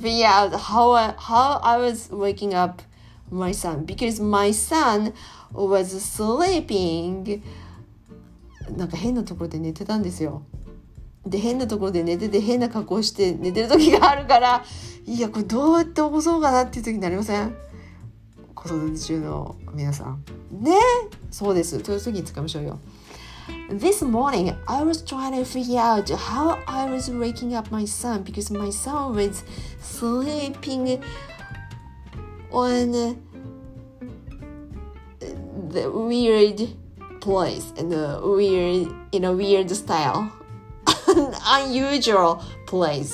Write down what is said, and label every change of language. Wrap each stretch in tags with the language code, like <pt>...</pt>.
<en>Figure out how I was waking up my son because my son was sleeping</en> <ja>なんか変なところで寝てたんですよ。で変なところで寝てて変な格好して寝てる時があるから、いやこれどうやって起こそうかなっていう時になりません？子育て中の皆さんね、そうです、そういう時に使いましょうよ。</ja> <en>This morning I was trying to figure out how I was waking up my son because my son was sleeping on the weird place and weird in a weird style unusual place.</en>